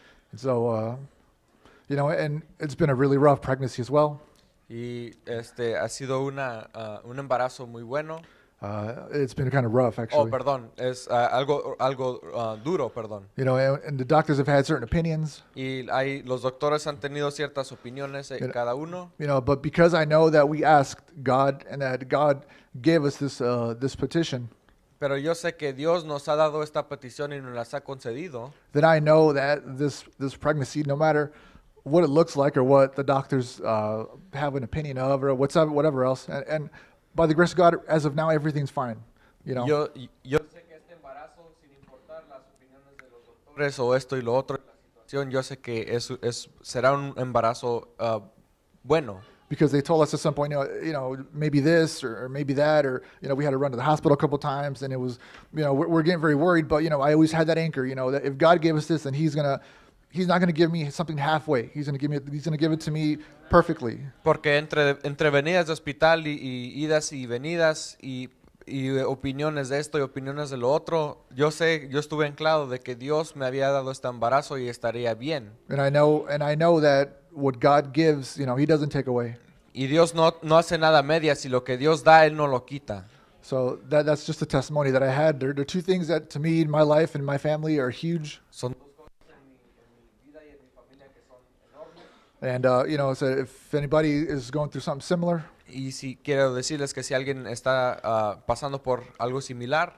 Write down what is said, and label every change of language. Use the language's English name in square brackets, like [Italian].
[English] And so, you know, and it's been a really rough pregnancy as well. [Spanish] Y ha sido un embarazo muy bueno. [English] It's been kind of rough, actually. [Spanish] Oh, perdón. Es algo duro, perdón. [English] You know, and the doctors have had certain opinions. [Spanish] Y hay los doctores han tenido ciertas opiniones en cada uno. [English] You know, but because I know that we asked God and that God gave us this petition. [Spanish] Pero yo sé que Dios nos ha dado esta petición y nos las ha concedido. [English] Then I know that this pregnancy, no matter what it looks like or what the doctors have an opinion of or whatever else. And by the grace of God, as of now, everything's fine, you know. [Spanish] Yo sé que este embarazo, sin importar las opiniones de los doctores o esto y lo otro, la situación, yo sé que será un embarazo bueno. [English] Because they told us at some point, you know, maybe this or maybe that, or, you know, we had to run to the hospital a couple times and it was, you know, we're getting very worried, but, you know, I always had that anchor, you know, that if God gave us this, then He's not going to give me something halfway. He's going to give it to me perfectly. [Spanish] Porque entre venidas de hospital y idas y venidas y opiniones de esto y opiniones de lo otro, yo estuve anclado de que Dios me había dado este embarazo y estaría bien. [English] And I know that what God gives, you know, he doesn't take away. [Spanish] Y Dios no hace nada media, si lo que Dios da, él no lo quita. [English] So that's just a testimony that I had. There are two things that to me in my life and my family are huge. [Spanish] Son. [English] And you know, so if anybody is going through something similar, [Spanish] y si quiero decirles que si alguien está pasando por algo similar,